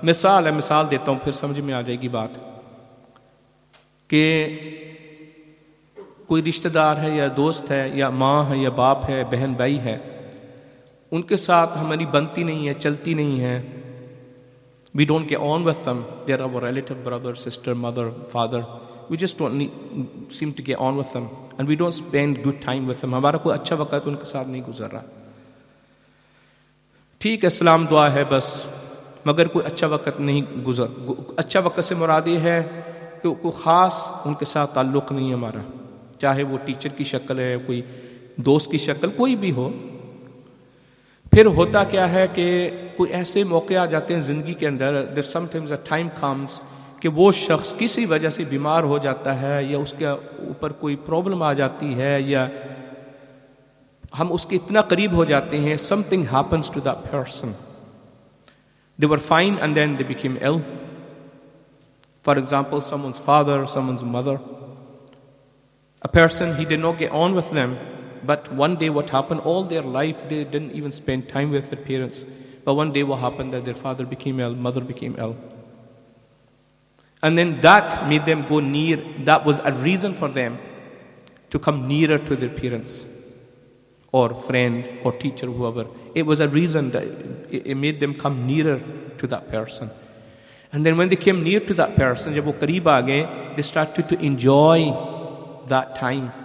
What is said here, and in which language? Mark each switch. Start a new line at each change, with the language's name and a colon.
Urdu: مثال ہے, مثال دیتا ہوں پھر سمجھ میں آ جائے گی بات, کہ کوئی رشتہ دار ہے یا دوست ہے یا ماں ہے یا باپ ہے, بہن بھائی ہے, ان کے ساتھ ہماری بنتی نہیں ہے, چلتی نہیں ہے,
English: We don't get on with them. They're our relative, brother, sister, mother, father. We just don't seem to get on with them. And we don't spend good time with them.
Urdu: ہمارا کوئی اچھا وقت ان کے ساتھ نہیں گزر رہا. ٹھیک ہے, سلام دعا ہے بس, مگر کوئی اچھا وقت نہیں گزر. اچھا وقت سے مراد یہ ہے کہ کوئی خاص ان کے ساتھ تعلق نہیں ہمارا, چاہے وہ ٹیچر کی شکل ہے, کوئی دوست کی شکل, کوئی بھی ہو. پھر ہوتا کیا ہے کہ کوئی ایسے موقع آ جاتے ہیں زندگی کے اندر,
English: there sometimes a time comes
Urdu: کہ وہ شخص کسی وجہ سے بیمار ہو جاتا ہے, یا اس کے اوپر کوئی پرابلم آ جاتی ہے, یا ہم اس کے اتنا قریب ہو جاتے ہیں.
English: Something happens to the person, they were fine and then they became ill. For example, some one's father, some one's mother, a person he did not get on with them, but one day what happen, all their life they didn't even spend time with their parents, but one day what happen that their father became ill, mother became ill. And then that made them go near, that was a reason for them to come nearer to their parents or friend or teacher, whoever. It was a reason that it made them come nearer to that person. And then when they came near to that person,
Urdu: jab wo kareeb aa gaye,
English: they started to enjoy that time.